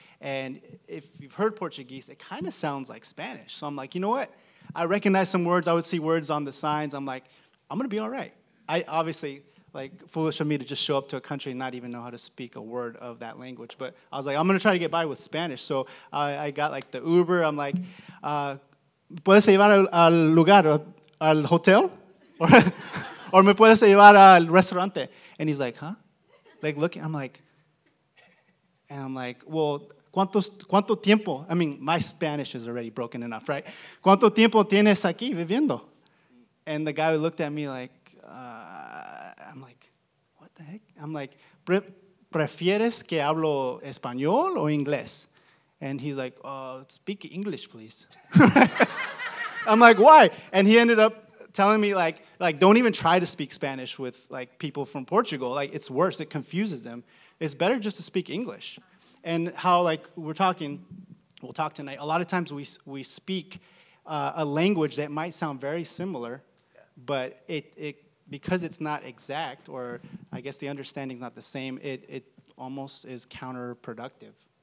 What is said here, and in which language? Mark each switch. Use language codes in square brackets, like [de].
[en] And if you've heard Portuguese, it kind of sounds like Spanish. So I'm like, you know what? I recognize some words. I would see words on the signs. I'm like, I'm going to be all right. I obviously, like, foolish of me to just show up to a country and not even know how to speak a word of that language. But I was like, I'm going to try to get by with Spanish. So I got, like, the Uber. I'm like, [es] ¿puedes llevar al lugar, al hotel? [en] Or [es] ¿me puedes llevar al restaurante? [en] And he's like, huh? Like, looking. I'm like, well, [es] ¿cuánto tiempo? [en] I mean, my Spanish is already broken enough, right? [es] ¿Cuánto tiempo tienes aquí viviendo? [en] And the guy looked at me like, I'm like, what the heck? I'm like, [es] ¿prefieres que hablo español o inglés? [en] And he's like, speak English, please. I'm like, why? And he ended up telling me, like, don't even try to speak Spanish with, like, people from Portugal. Like, it's worse. It confuses them. It's better just to speak English. And how, like, we're talking, we'll talk tonight. A lot of times we speak a language that might sound very similar, but it because it's not exact, or I guess the understanding's not the same, it almost is counterproductive.